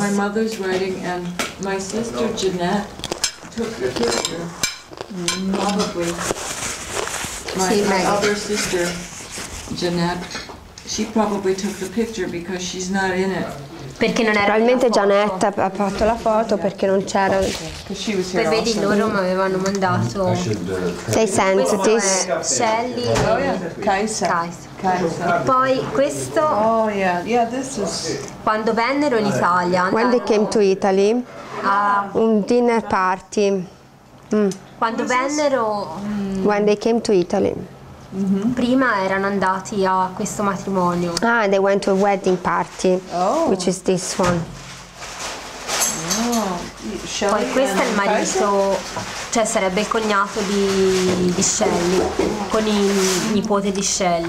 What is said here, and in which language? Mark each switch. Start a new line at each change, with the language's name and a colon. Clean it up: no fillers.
English: My mother's writing and my sister Jeanette took the picture. Probably. My other sister, Jeanette, she probably took the picture because she's not in it.
Italian: Perché non era probabilmente Jeanette ha fatto la foto perché non c'era. Poi vedi loro mi avevano mandato. Sei sensitive. Shelly.
English: Oh yeah. Kaiser.
Italian: E poi questo.
English: Oh yeah. Yeah, this is.
Italian: Quando vennero in Italia.
English: When they came to Italy. Un dinner party.
Italian: Quando vennero.
English: When they came to Italy.
Italian: Mm-hmm. Prima erano andati a questo matrimonio.
English: Ah, they went to a wedding party, which is this one. Oh.
Italian: Poi questo è il marito, Kaiser? Cioè sarebbe il cognato di Shelly, con il nipote di Shelly.